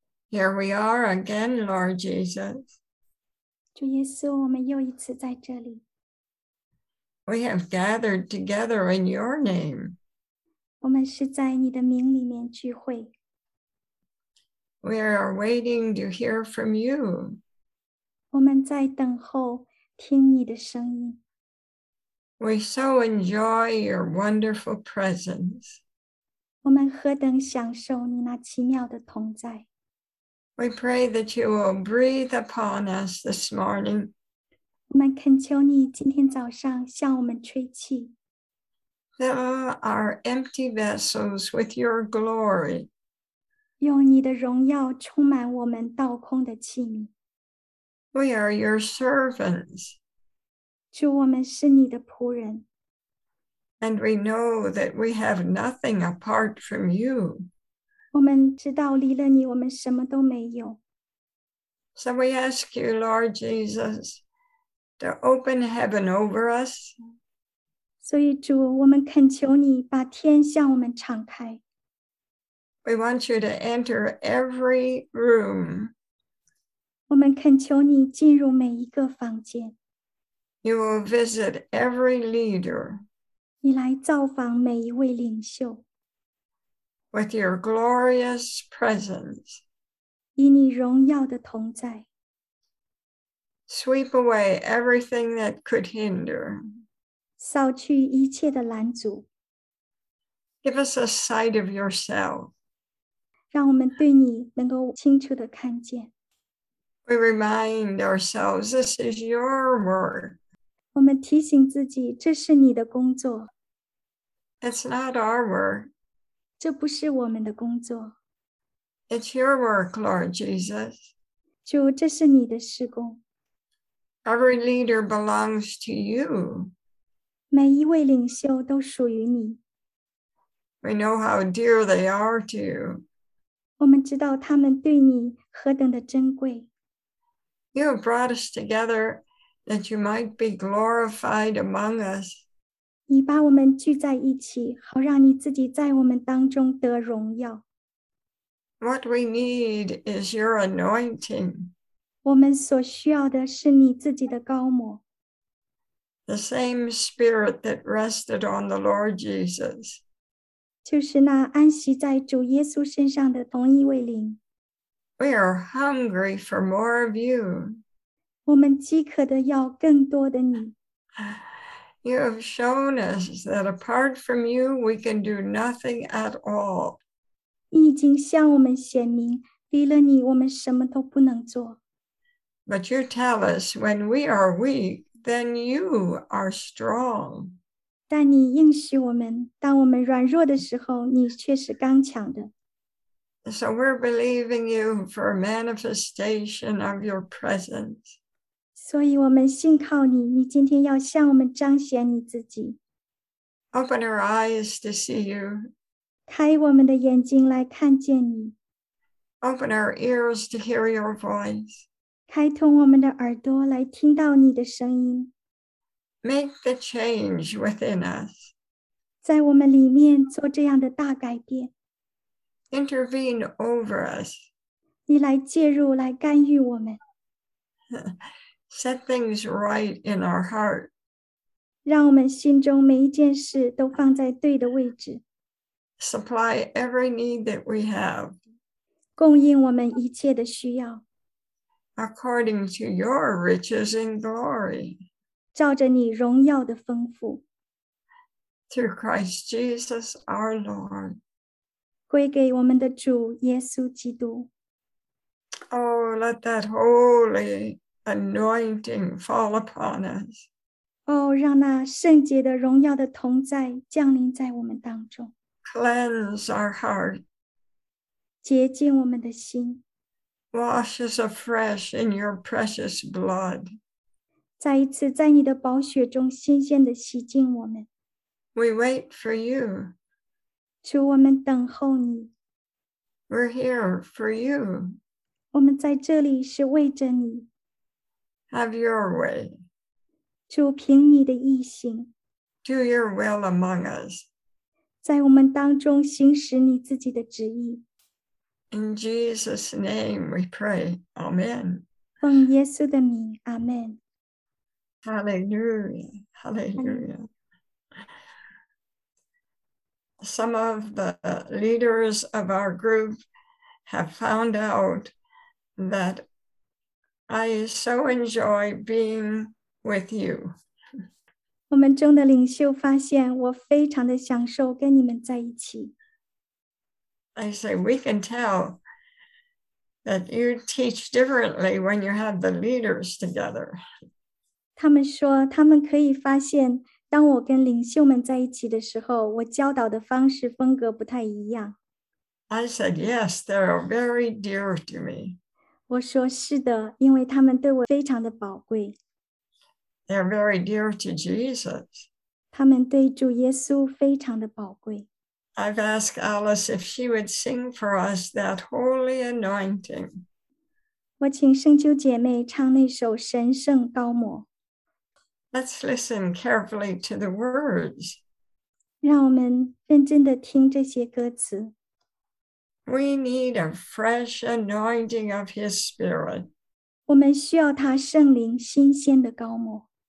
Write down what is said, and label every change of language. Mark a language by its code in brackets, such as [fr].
[en] Here we are again, Lord Jesus. [zh] 主耶稣，我们又一次在这里。 [en] We have gathered together in your name. [zh] 我们是在你的名里面聚会。 [en] We are waiting to hear from you. [zh] 我们在等候听你的声音。 [en] We so enjoy your wonderful presence. [zh] 我们何等享受你那奇妙的同在。 [en] We pray that you will breathe upon us this morning. [zh] 我们恳求你今天早上向我们吹气。 [en] Fill our empty vessels with your glory. [zh] 用你的荣耀充满我们倒空的器皿。 [en] We are your servants. [zh] 主，我们是你的仆人。 [en] And we know that we have nothing apart from you. [zh] 我们知道离了你，我们什么都没有。 [en] So we ask you, Lord Jesus, to open heaven over us. [zh] 所以主，我们恳求你把天向我们敞开。 [en] We want you to enter every room. [zh] 我们恳求你进入每一个房间。 [en] You will visit every leader. [zh] 你来造访每一位领袖。 [en] With your glorious presence. [zh] 以你荣耀的同在。 [en] Sweep away everything that could hinder. [zh] 扫去一切的拦阻。 [en] Give us a sight of yourself. [zh] 让我们对你能够清楚地看见。 [en] We remind ourselves this is your work. [zh] 我们提醒自己这是你的工作。 [en] It's not our work. [zh] 这不是我们的工作。 [en] It's your work, Lord Jesus. [zh] 主，这是你的事工。 [en] Every leader belongs to you. [zh] 每一位领袖都属于你。 [en] We know how dear they are to you. [zh] 我们知道他们对你何等的珍贵。 [en] You have brought us together that you might be glorified among us. [zh] 你把我们聚在一起，好让你自己在我们当中得荣耀。 [en] What we need is your anointing. [zh] 我们所需要的是你自己的膏抹。 [en] The same spirit that rested on the Lord Jesus. [zh] 就是那安息在主耶稣身上的同一位灵。 [en] We are hungry for more of you. [zh] 我们饥渴的要更多的你。 [en] You have shown us that apart from you, we can do nothing at all. [zh] 你已经向我们显明，离了你，我们什么都不能做。 [en] But you tell us when we are weak, then you are strong. [zh] 但你应许我们，当我们软弱的时候，你却是刚强的。 [en] So we're believing you for a manifestation of your presence. [zh] 所以我们信靠你，你今天要向我们彰显你自己。 [en] Open our eyes to see you. [zh] 开我们的眼睛来看见你。 [en] Open our ears to hear your voice. [zh] 开通我们的耳朵来听到你的声音。 [en] Make the change within us. [zh] 在我们里面做这样的大改变。 [en] Intervene over us. [zh] 你来介入，来干预我们。 [en] Set things right in our heart. [zh] 让我们心中每一件事都放在对的位置。 [en] Supply every need that we have. [zh] 供应我们一切的需要。 [en] According to your riches and glory. [zh] 照着你荣耀的丰富。 [en] Through Christ Jesus our Lord. [zh] 归给我们的主耶稣基督。 [en] Oh, let that holy anointing fall upon us. [zh] Oh, 让那圣洁的荣耀的同在降临在我们当中。 [en] Cleanse our heart. [zh] 洁净我们的心。 [en] Wash us afresh in your precious blood. [zh] 再一次在你的宝血中新鲜地洗净我们。 [en] We wait for you. [zh] 主，我们等候你。 [en] We're here for you. [zh] 我们在这里是为着你。 [en] Have your way. [zh] 主，凭你的意行。 [en] Do your will among us. [zh] 在我们当中行使你自己的旨意。 [en] In Jesus' name we pray. Amen. [zh] 奉耶稣的名， Amen. [en] Hallelujah. Hallelujah. Some of the leaders of our group have found out that I so enjoy being with you. [zh] 我们中的领袖发现我非常的享受跟你们在一起。 [en] I say, we can tell that you teach differently when you have the leaders together. [zh] 他们说他们可以发现当我跟领袖们在一起的时候我教导的方式风格不太一样。 [en] I said, yes, they are very dear to me. [zh] 我说是的因为他们对我非常的宝贵。 [en] They are very dear to Jesus. [zh] 他们对主耶稣非常的宝贵。 [en] I've asked Alice if she would sing for us that holy anointing. [zh] 我请圣秋姐妹唱那首神圣膏抹。 [en] Let's listen carefully to the words. [zh] 让我们认真地听这些歌词。 [en] We need a fresh anointing of His Spirit. [zh] 我们需要祂圣灵新鲜的膏抹。